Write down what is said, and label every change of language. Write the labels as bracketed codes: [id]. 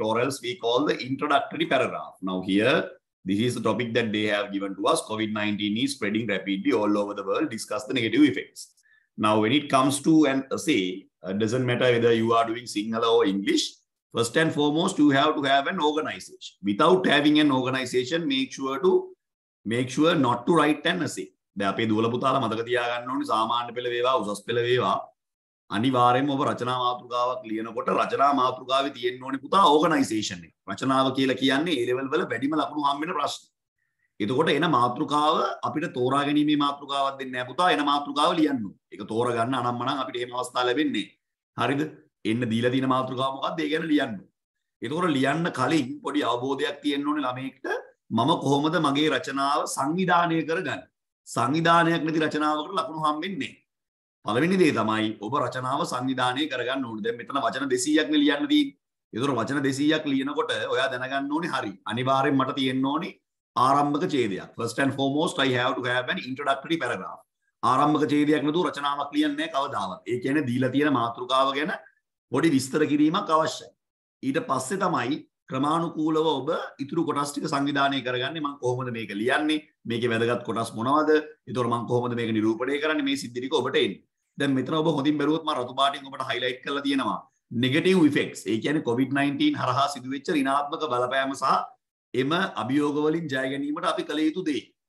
[en] Or else we call the introductory paragraph. Now here, this is the topic that they have given to us. COVID-19 is spreading rapidly all over the world. Discuss the negative effects. Now, when it comes to an essay, it doesn't matter whether you are doing Sinhala or English. First and foremost, you have to have an organization. Without having an organization, make sure not to write an essay. [si] දැන් අපි දුවල පුතාලා මතක තියා ගන්න ඕනේ සාමාන්‍ය පෙළ වේවා උසස් පෙළ වේවා අනිවාර්යයෙන්ම ඔබ රචනා මාතෘකාවක් ලියනකොට රචනා මාතෘකාවේ තියෙන්න ඕනේ පුතා ඕගනයිසේෂන් එක. රචනාව කියලා කියන්නේ ඒ ලෙවල් වල වැඩිම ලකුණු හම්බෙන ප්‍රශ්න. එතකොට එන මාතෘකාව අපිට තෝරා ගැනීමේ මාතෘකාවක් දෙන්නේ නැහැ පුතා එන මාතෘකාව ලියන්න ඕනේ. ඒක තෝරා ගන්න අනම්මනම් අපිට එහෙම අවස්ථාවක් ලැබෙන්නේ නැහැ. හරිද? එන්න දීලා තියෙන මාතෘකාව මොකක්ද ඒ ගැන ලියන්න ඕනේ. එතකොට ලියන්න කලින් පොඩි අවබෝධයක් තියෙන්න ඕනේ ළමයෙක්ට මම කොහොමද මගේ රචනාව සංවිධානය කරගන්නේ? සංවිධානයක් නැති රචනාවකට ලකුණු හම්බෙන්නේ නැහැ. පළවෙනි දේ තමයි ඔබ රචනාව සංවිධානය කරගන්න ඕනේ. දැන් මෙතන වචන 200ක් නේ ලියන්න තියෙන්නේ. ඒතර වචන 200ක් ලියනකොට ඔයා දැනගන්න ඕනේ හරි. අනිවාර්යෙන් මට තියෙන්න ඕනේ ආරම්භක ඡේදයක්. [en] First and foremost I have to have an introductory paragraph. [si] ආරම්භක ඡේදයක් නැතුව රචනාවක් ලියන්නේ නැහැ කවදාවත්. ඒ කියන්නේ දීලා තියෙන මාතෘකාව ගැන පොඩි විස්තර කිරීමක් අවශ්‍යයි. ඊට පස්සේ තමයි ක්‍රමානුකූලව ඔබ ඉතුරු කොටස් ටික සංවිධානය කරගන්නේ මම කොහොමද මේක ලියන්නේ මේකේ වැදගත් කොටස් මොනවද ඒතොර මම කොහොමද මේක නිරූපණය කරන්නේ මේ සිද්ධි ටික ඔබට එන්නේ දැන් මෙතන ඔබ හොඳින් බැලුවොත් මම රතු පාටින් ඔබට highlight කරලා තියෙනවා [en] negative effects [si] ඒ කියන්නේ COVID-19 හරහා සිදු වෙච්ච ඍණාත්මක බලපෑම සහ එම අභියෝග වලින් ජය ගැනීමට අපි කළ යුතු දේ